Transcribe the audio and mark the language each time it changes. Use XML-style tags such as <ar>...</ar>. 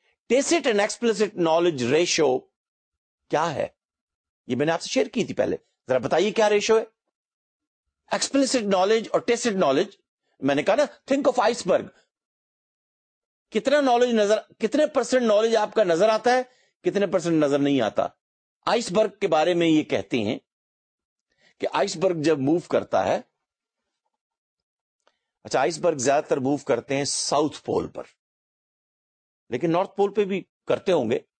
<ur>Tacit and explicit knowledge ratio کیا ہے, یہ میں نے آپ سے شیئر کی تھی پہلے, ذرا بتائیے کیا ریشو ہے.</ur> <en>Explicit knowledge اور tacit knowledge,</en> <ur>میں نے کہا نا,</ur> <en>think of iceberg.</en> <ur>کتنا knowledge نظر, کتنے پرسنٹ knowledge آپ کا نظر آتا ہے, کتنے پرسنٹ نظر نہیں آتا. Iceberg کے بارے میں یہ کہتے ہیں کہ iceberg جب move کرتا ہے, اچھا آئسبرگ زیادہ تر موو کرتے ہیں ساؤتھ پول پر, لیکن نارتھ پول پہ بھی کرتے ہوں گے.</ur>